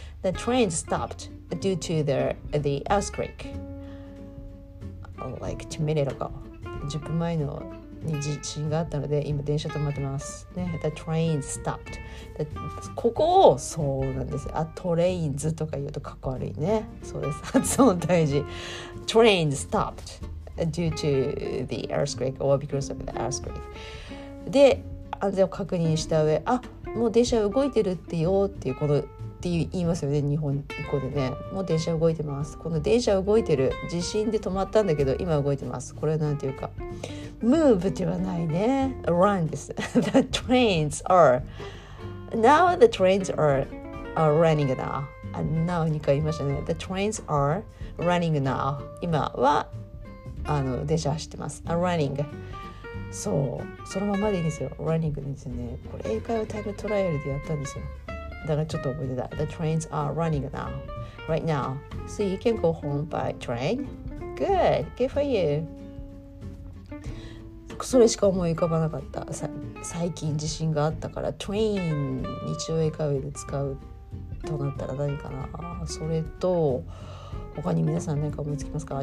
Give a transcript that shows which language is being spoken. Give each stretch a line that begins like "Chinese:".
English: The trains stopped due to the earthquake. Like 10 minutes ago.
Japanese: 10分前のに地震があったので今電車止まってます、ね、
English: The train stopped.
Japanese: The, ここをそうなんです。あ、トレインズとか言うとかっこ悪いね。そうです、発音大事。 Train stopped due to the earthquake or because of the earthquake. で、安全を確認した上、あ、もう電車動いてるってよっていうこのって言いますよね、日本語でね。もう電車動いてます、この電車動いてる、地震で止まったんだけど今動いてます、これなんていうか move ではないね、 run です。
English: the trains are now the trains are running now、 now
Japanese: に言いましたね。
English: the trains are running now、
Japanese: 今はあの電車走ってます、
English: running。
Japanese: そう、そのままでいいんですよ、 running ですね。これ英会話タイムトライアルでやったんですよ、だからちょっと覚えてた。
English: The trains are running now, right now. So you can go home by train. Good, good for you.
Japanese: それしか思い浮かばなかった。最近地震があったからトゥイーン日常英会話で使うとなったら何かな。それと他に皆さん何か思いつきますか。